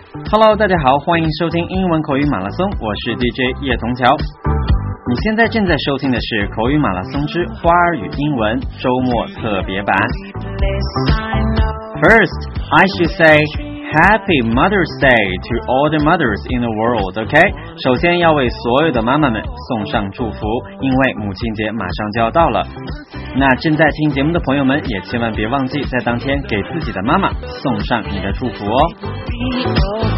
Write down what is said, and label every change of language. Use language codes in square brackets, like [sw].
[zh] Hello, 大家好，欢迎收听英文口语马拉松，我是 DJ 叶童桥。你现在正在收听的是口语马拉松之花儿与英文周末特别版。 [en] First, I should say Happy Mother's Day to all the mothers in the world, okay? [zh] 首先要为所有的妈妈们送上祝福，因为母亲节马上就要到了。那正在听节目的朋友们也千万别忘记在当天给自己的妈妈送上你的祝福哦。